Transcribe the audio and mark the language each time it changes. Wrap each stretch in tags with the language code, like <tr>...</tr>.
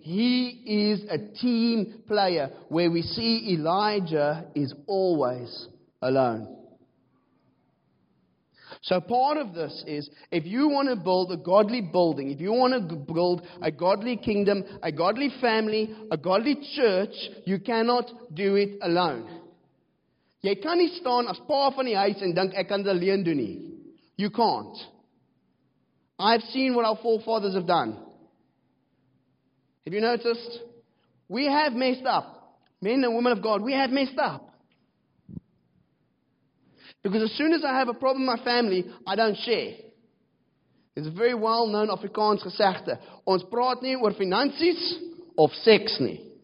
<en>He is a team player where we see Elijah is always alone. So part of this is, if you want to build a godly building, if you want to build a godly kingdom, a godly family, a godly church, you cannot do it alone.</en> <af>Jy kan nie staan as pa van die huis en dink ek kan dit alleen doen nie.</af> <en>You can't. I've seen what our forefathers have done. Have you noticed? We have messed up. Men and women of God, we have messed up. Because as soon as I have a problem with my family, I don't share. There's a very well-known Afrikaans gesegde.</en> <af>Ons praat nie oor finansies of seks nie.</af>